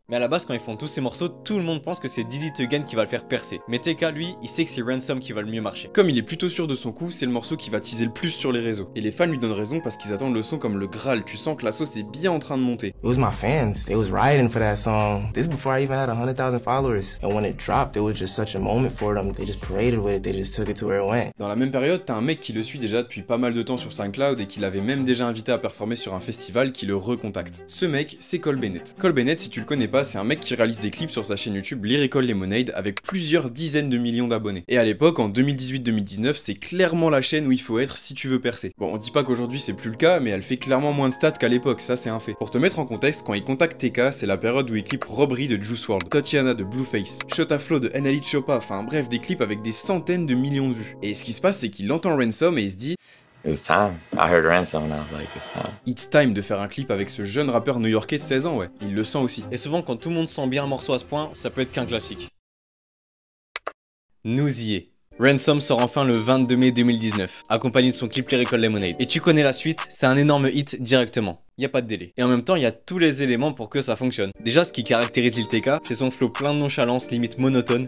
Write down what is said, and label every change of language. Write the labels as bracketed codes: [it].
[fr] Mais à la base, quand ils font tous ces morceaux, tout le monde pense que c'est Did It Again qui va le faire percer. Mais TK, lui, il sait que c'est Ransom qui va le mieux marcher. Comme il est plutôt sûr de son coup, c'est le morceau qui va teaser le plus sur les réseaux. Et les fans lui donnent raison parce qu'ils attendent le son comme le Graal. Tu sens que la sauce est bien en train de monter. [en] It was my fans. They was riding for that song. This before I even had 100,000 followers. And when it dropped, it was just such a moment for them. They just paraded with it. They just took it to where it went. [fr] Dans la même période, t'as un mec qui le suit déjà depuis pas mal de temps sur SoundCloud et qui l'avait même déjà invité à performer sur un festival qui le recontacte. Ce mec, c'est Cole Bennett. Cole Bennett, si tu le connais pas, c'est un mec qui réalise des clips sur sa chaîne YouTube Lyrical Lemonade avec plusieurs dizaines de millions d'abonnés. Et à l'époque, en 2018-2019, c'est clairement la chaîne où il faut être si tu veux percer. Bon, on dit pas qu'aujourd'hui c'est plus le cas, mais elle fait clairement moins de stats qu'à l'époque, ça c'est un fait. Pour te mettre en contexte, quand il contacte TK, c'est la période où il clip Robbery de Juice WRLD, Tatiana de Blueface, Shota Flow de NLE Choppa, enfin bref, des clips avec des centaines de millions de vues. Et ce qui se passe, c'est qu'il entend Ransom et il se dit [en] It's time. I heard Ransom and I was like, it's time. It's time [fr] de faire un clip avec ce jeune rappeur new-yorkais de 16 ans, ouais. Il le sent aussi. Et souvent, quand tout le monde sent bien un morceau à ce point, ça peut être qu'un classique. Nous y est. Ransom sort enfin le 22 mai 2019, accompagné de son clip Lyrical Lemonade. Et tu connais la suite, c'est un énorme hit directement. Y a pas de délai. Et en même temps, y a tous les éléments pour que ça fonctionne. Déjà, ce qui caractérise Lil TK, c'est son flow plein de nonchalance, limite monotone.